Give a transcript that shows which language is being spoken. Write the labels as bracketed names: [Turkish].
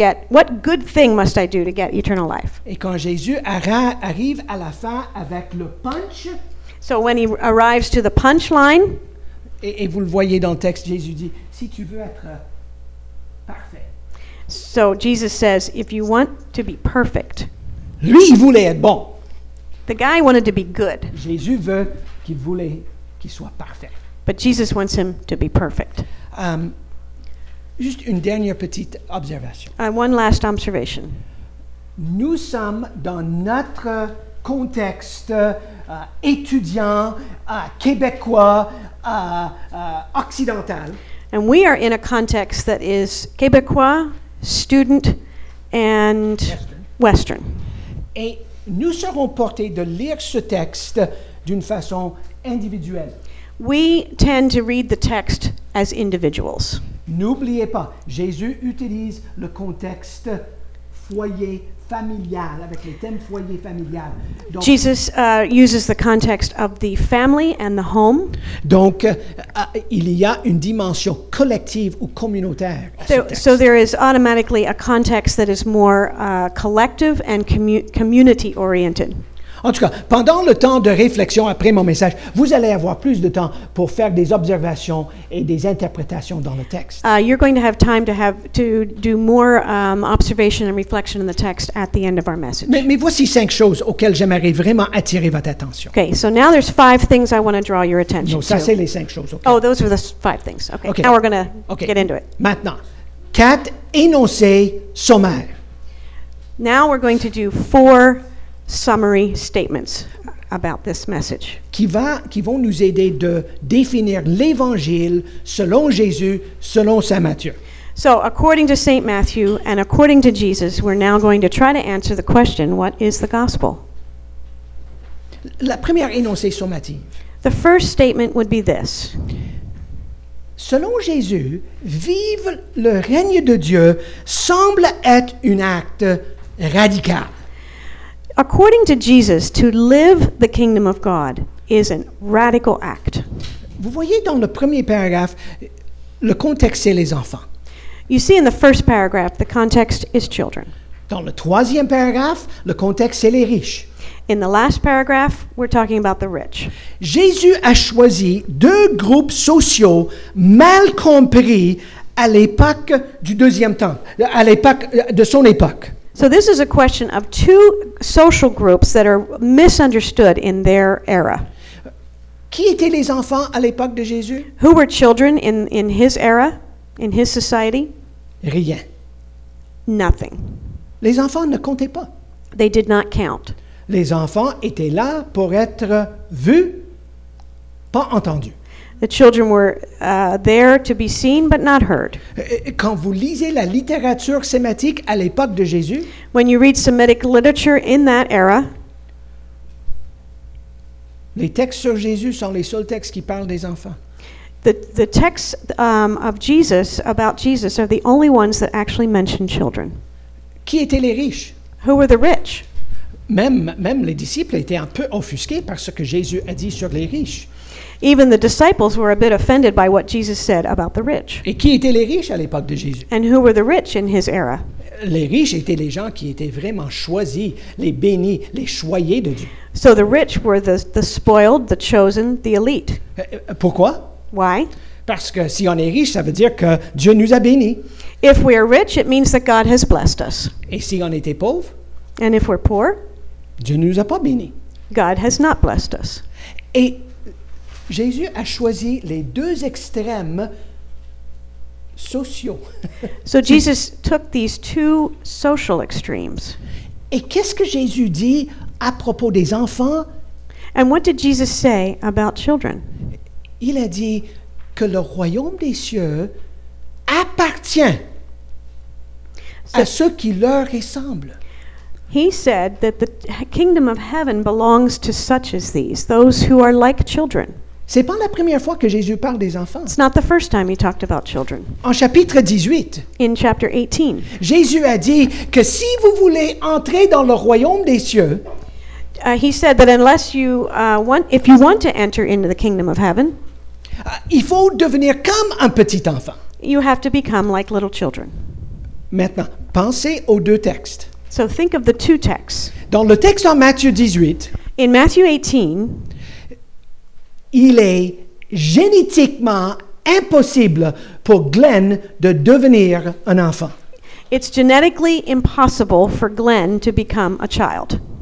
[English] What good thing must I do to get eternal life? [French] Et quand Jésus arrive à la fin avec le punch. [English] So when he arrives to the punchline. [French] Et vous le voyez dans le texte, Jésus dit, si tu veux être parfait. [English] So Jesus says, if you want to be perfect. [French] Lui, il voulait être bon. [English] The guy wanted to be good. [French] Jésus veut qu'il voulait qu'il soit parfait. [English] But Jesus wants him to be perfect. [French] Juste une dernière petite observation. [English] One last observation. [French] Nous sommes dans notre contexte étudiant, québécois, occidental. [English] And we are in a context that is québécois, student, and Western. Western. [French] Et nous serons portés de lire ce texte d'une façon individuelle. [English] We tend to read the text as individuals. [French] N'oubliez pas, Jésus utilise le contexte foyer familial, avec le thème foyer familial. [English] Donc, Jesus uses the context of the family and the home. [French] Donc, il y a une dimension collective ou communautaire. [English] So there is automatically a context that is more collective and community oriented. [French] En tout cas, pendant le temps de réflexion après mon message, vous allez avoir plus de temps pour faire des observations et des interprétations dans le texte. [English] You're going to have time to do more observation and reflection in the text at the end of our message. [French] Mais voici cinq choses auxquelles j'aimerais vraiment attirer votre attention. [English] Okay, so now there's five things I want to draw your attention to. [French] Non, ça c'est les cinq choses. [English] Okay. Oh, those are the five things. Okay, okay. Now we're going to okay. Get into it. [French] Maintenant, quatre énoncés sommaires. [English] Now we're going to do four summary statements about this message. [French] Qui vont nous aider de définir l'évangile selon Jésus, selon Saint Matthieu. [English] So, according to Saint Matthew and according to Jesus, we're now going to try to answer the question, what is the gospel? [French] La première énoncé sommative. [English] The first statement would be this. [French] Selon Jésus, vivre le règne de Dieu semble être un acte radical. [English] According to Jesus, to live the kingdom of God is a radical act. [French] Vous voyez dans le premier paragraphe, le contexte c'est les enfants. [English] You see in the first paragraph, the context is children. [French] Dans le troisième paragraphe, le contexte c'est les riches. [English] In the last paragraph, we're talking about the rich. [French] Jésus a choisi deux groupes sociaux mal compris à l'époque du deuxième temps, à l'époque de son époque. [English] So this is a question of two social groups that are misunderstood in their era. [French] Qui étaient les enfants à l'époque de Jésus? [English] Who were children in his era, in his society? [French] Rien. [English] Nothing. [French] Les enfants ne comptaient pas. [English] They did not count. [French] Les enfants étaient là pour être vus, pas entendus. [English] The children were there to be seen but not heard. [French] Quand vous lisez la littérature sémitique à l'époque de Jésus, [English] when you read Semitic literature in that era, [French] les textes sur Jésus sont les seuls textes qui parlent des enfants. [English] The texts of Jesus about Jesus are the only ones that actually mention children. [French] Qui étaient les riches? [English] Who were the rich? [French] Même les disciples étaient un peu offusqués par ce que Jésus a dit sur les riches. [English] Even the disciples were a bit offended by what Jesus said about the rich. [French] Et qui étaient les riches à l'époque de Jésus? [English] And who were the rich in his era? [French] Les riches étaient les gens qui étaient vraiment choisis, les bénis, les choyés de Dieu. [English] So the rich were the spoiled, the chosen, the elite. [French] Pourquoi? [English] Why? [French] Parce que si on est riche, ça veut dire que Dieu nous a bénis. [English] If we are rich, it means that God has blessed us. [French] Et si on était pauvre? [English] And if we're poor? [French] Dieu ne nous a pas bénis. [English] God has not blessed us. [French] Et Jésus a choisi les deux extrêmes sociaux. [English] So Jesus took these two social extremes. [French] Et qu'est-ce que Jésus dit à propos des enfants? [English] And what did Jesus say about children? [French] Il a dit que le royaume des cieux appartient à ceux qui leur ressemblent. [English] He said that the kingdom of heaven belongs to such as these, those who are like children. [French] C'est pas la première fois que Jésus parle des enfants. [English] It's not the first time he talked about children. [French] En chapitre 18. [English] In chapter 18. [French] Jésus a dit que si vous voulez entrer dans le royaume des cieux, [English] he said that unless you want, if you want to enter into the kingdom of heaven, [French] il faut devenir comme un petit enfant. [English] You have to become like little children. [French] Maintenant, pensez aux deux textes. [English] So think of the two texts. [French] Dans le texte en Matthieu 18, [English] in Matthew 18, [French] il est génétiquement impossible pour Glenn de devenir un enfant. [English] It's genetically impossible for Glenn to become a child.